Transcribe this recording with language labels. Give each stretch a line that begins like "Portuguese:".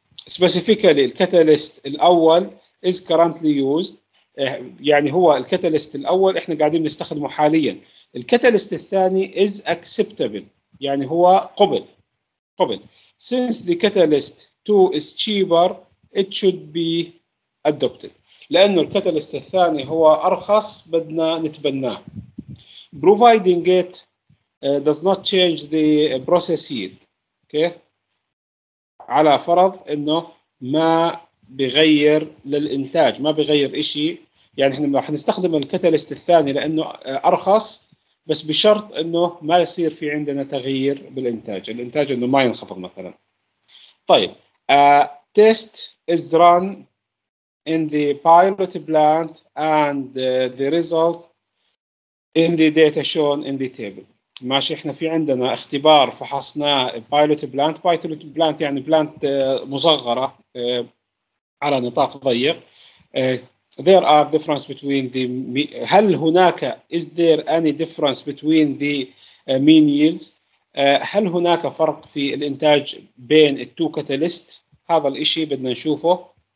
English: specifically
Arabic: الكاتاليست الاول
English: is currently used،
Arabic: يعني هو الكاتاليست الاول احنا قاعدين نستخدمه حاليا. الكاتاليست الثاني
English: is acceptable،
Arabic: يعني هو قبل.
English: since the catalyst 2 is cheaper it should be adopted،
Arabic: لانه الكاتاليست الثاني هو ارخص بدنا نتبناه.
English: providing it does not change the process yield. okay.
Arabic: على فرض انه ما بغير للانتاج، ما بغير شيء، يعني احنا راح نستخدم الكاتاليست الثاني لانه ارخص، بس بشرط انه ما يصير في عندنا تغيير بالانتاج، الانتاج انه ما ينخفض مثلا. طيب
English: test is run in the pilot plant and the result in the data shown in the table.
Arabic: ماشي، احنا في عندنا اختبار فحصناه pilot plant. pilot plant يعني plant مصغره على نطاق ضيق.
English: There are difference between the
Arabic: هل هناك
English: is there any difference between the mean yields؟
Arabic: هل هناك فرق في الإنتاج بين التو كاتاليست؟ هذا الإشي بدنا نشوفه.